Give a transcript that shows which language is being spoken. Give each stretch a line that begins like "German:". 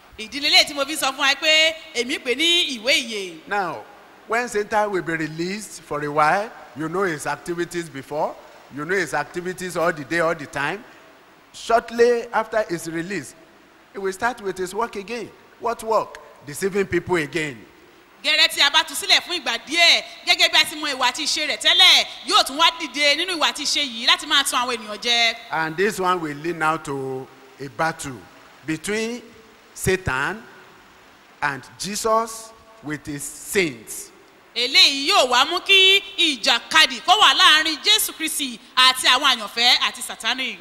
Yoruba: Ìdílélẹ̀ tí mo fi sọ fún wa pé èmi pè ní ìwé ìyè.
English: Now, when Satan will be released for a while, you know his activities before. You know his activities all the day, all the time. Shortly after his release, he will start with his work again. What work? Deceiving people again.
Yoruba: Gẹ́gẹ́ tí a bá tu sílẹ̀ fún ìgbà díẹ̀, gẹ́gẹ́ bí a ti mọ ìwà àti ìṣe rẹ̀ tẹ́lẹ̀, yóò tún wá dìde nínú ìwà àti ìṣe yìí láti máa tún àwọn ènìyàn jẹ.
English: And this one will lead now to a battle between Satan and Jesus with his saints.
Yoruba: Eléyìí yóò wá mú kí ìjà kadì kó wà láàrin Jésù Kristì àti àwọn àyànfẹ́ àti Sátani.